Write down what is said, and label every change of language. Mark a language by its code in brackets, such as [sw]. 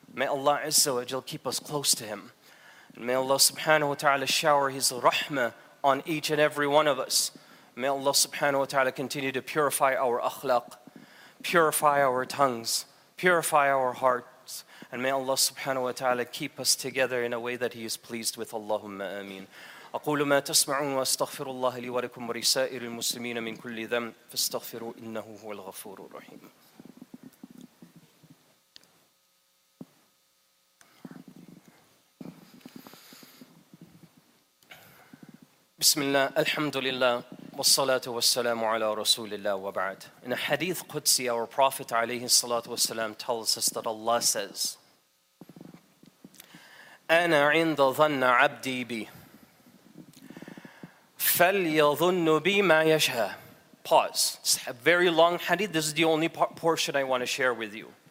[en] May Allah Azza wa Jal keep us close to Him. And may Allah subhanahu wa ta'ala shower His rahmah on each and every one of us. May Allah subhanahu wa ta'ala continue to purify our akhlaq, purify our tongues, purify our hearts, and may Allah subhanahu wa ta'ala keep us together in a way that He is pleased with. Allahumma ameen. [ar] أقول ما تسمعون واستغفر الله لي ولكم ورسائر المسلمين من كل ذنب فاستغفروا إنه هو الغفور الرحيم. بسم الله الحمد لله والصلاة والسلام على رسول الله وبعد. [en] In a hadith Qudsi, our Prophet [ar] عليه الصلاة والسلام [en] tells us that Allah says, [ar] أنا عند ظن عبدي بي فَلْيَظُنُّ بِمَا يَشْهَى. [en] Pause. It's a very long hadith. This is the only portion I want to share with you.